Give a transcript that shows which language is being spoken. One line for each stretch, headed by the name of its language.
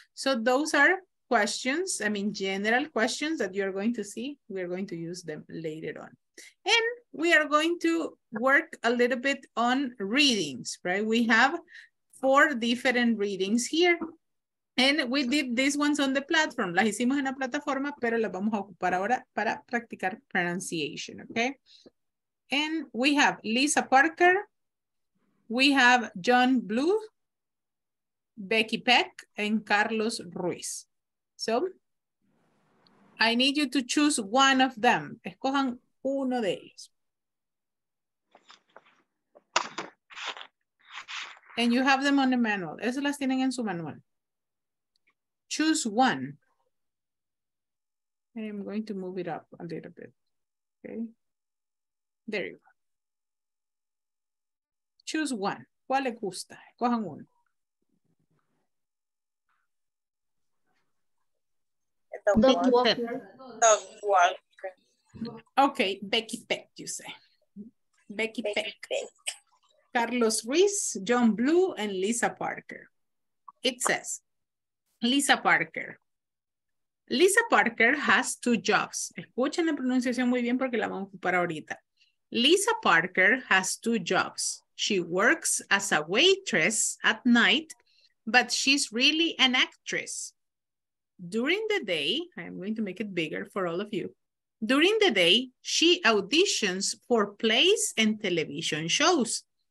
English: So those are questions, I mean, general questions that you're going to see. We're going to use them later on. And we are going to work a little bit on readings, right? We have 4 different readings here. And we did these ones on the platform.
Spanish: Las hicimos en la plataforma, pero las vamos a ocupar ahora para practicar pronunciation, okay?
English: And we have Lisa Parker. We have John Blue, Becky Peck, and Carlos Ruiz. So I need you to choose one of them.
Spanish: Escojan uno de ellos.
English: And you have them on the manual.
Spanish: Esas las tienen en su manual.
English: Choose one. I am going to move it up a little bit. Okay. There you go. Choose one.
Spanish: ¿Cuál le gusta? Cojan uno.
English: Becky Peck, you say. Becky Peck. Carlos Ruiz, John Blue, and Lisa Parker. It says, Lisa Parker has two jobs.
Spanish: Escuchen la pronunciación muy bien porque la vamos a ocupar ahorita.
English: Lisa Parker has two jobs. She works as a waitress at night, but she's really an actress. During the day, I'm going to make it bigger for all of you. During the day, she auditions for plays and television shows.